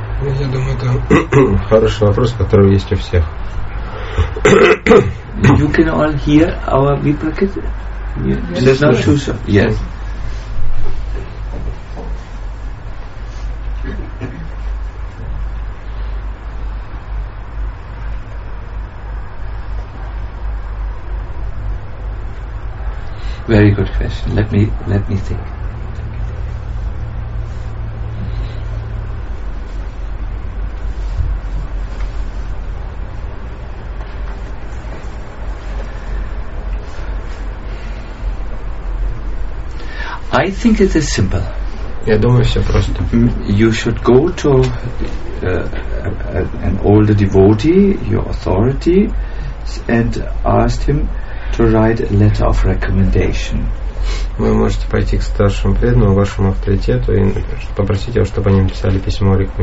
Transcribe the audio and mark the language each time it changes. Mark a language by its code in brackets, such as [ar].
[ru] Я думаю, это хороший вопрос, который есть у всех. [en] You can all hear our Vipraket? Yes. There's no shoes. Yes. Very good question. Let me think. I think it is simple. [ru] Я думаю, все просто. [en] You should go to an older devotee, your authority, and ask him to write a letter of recommendation. [ru] Вы можете пойти к старшему преданному, вашему авторитету, и попросить его, чтобы они написали письмо